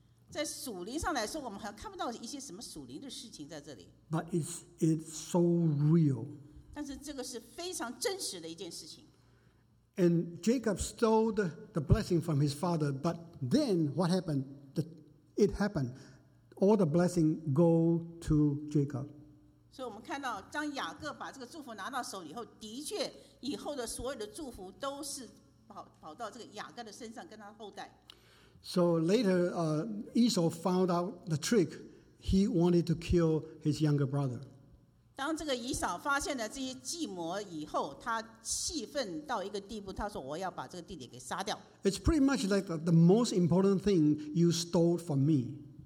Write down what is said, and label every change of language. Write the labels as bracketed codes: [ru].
[zh] 在属灵上来说，我们还看不到一些什么属灵的事情在这里。 [en] But it's so real. [zh] 但是这个是非常真实的一件事情。 [en] And Jacob stole the blessing from his father, but then what happened? It happened. All the blessing go to Jacob. So we see that when Jacob got this blessing, indeed, all the blessings go to Jacob's family and his line. So later, Esau found out the trick. He wanted to kill his younger brother. [zh] 当这个以扫发现了这些计谋以后，他气愤到一个地步，他说：“我要把这个弟弟给杀掉。” [en] It's pretty much like the most important thing you stole from me.